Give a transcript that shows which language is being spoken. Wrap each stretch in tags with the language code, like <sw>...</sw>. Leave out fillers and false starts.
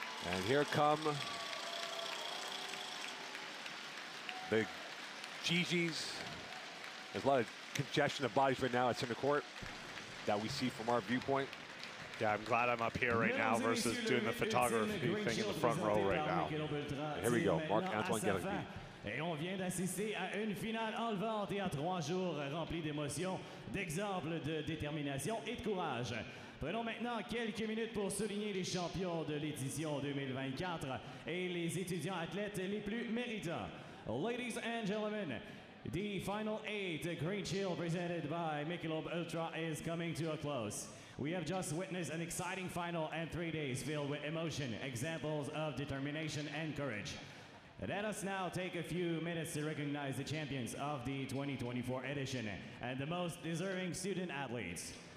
<en>And here come the Gigi's. There's a lot of congestion of bodies right now at center court that we see from our viewpoint. Yeah, I'm glad I'm up here right now versus doing the photography thing in the front row right now. And here we go, Marc-Antoine Gallagher.</en> <fr>Et on vient d'assister à une finale enlevante et à trois jours remplie d'émotions, d'exemples de détermination et de courage. Prenons maintenant quelques minutes pour souligner les champions de l'édition 2024 et les étudiants athlètes les plus méritants.</fr> <en>Ladies and gentlemen, the final eight Green Shield presented by Michelob Ultra is coming to a close. We have just witnessed an exciting final and 3 days filled with emotion, examples of determination and courage. Let us now take a few minutes to recognize the champions of the 2024 edition and the most deserving student athletes.</en>